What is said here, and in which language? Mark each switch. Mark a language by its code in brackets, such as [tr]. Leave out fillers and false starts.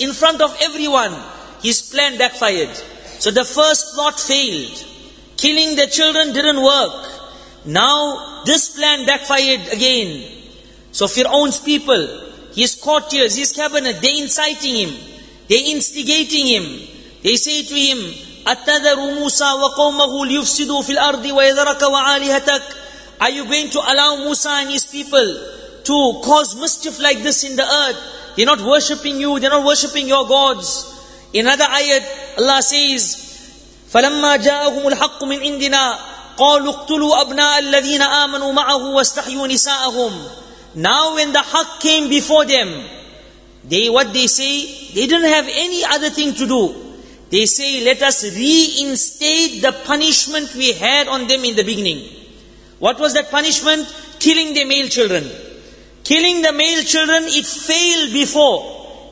[en] In front of everyone, his plan backfired. So the first plot failed. Killing the children didn't work. Now this plan backfired again. So Fir'aun's people, his courtiers, his cabinet, they're inciting him. They're instigating him. They say to him, [ar] أَتَذَرُ مُوسَى وَقَوْمَهُ لِيُفْسِدُوا فِي الْأَرْضِ وَيَذَرَكَ وَعَالِهَتَكَ. [en] Are you going to allow Musa and his people to cause mischief like this in the earth? They're not worshipping you, they're not worshipping your gods. In another ayat, Allah says, [ar] فَلَمَّا جَاءَهُمُ الْحَقُّ مِنْ عِنْدِنَا قَالُوا اقْتُلُوا أَبْنَاءَ الَّذِينَ آمَنُوا مَعَهُ وَاسْتَحْيُوا نِسَاءَهُمْ. [en] Now when the haq came before them, what they say? They didn't have any other thing to do. They say, let us reinstate the punishment we had on them in the beginning. What was that punishment? Killing the male children. Killing the male children, it failed before.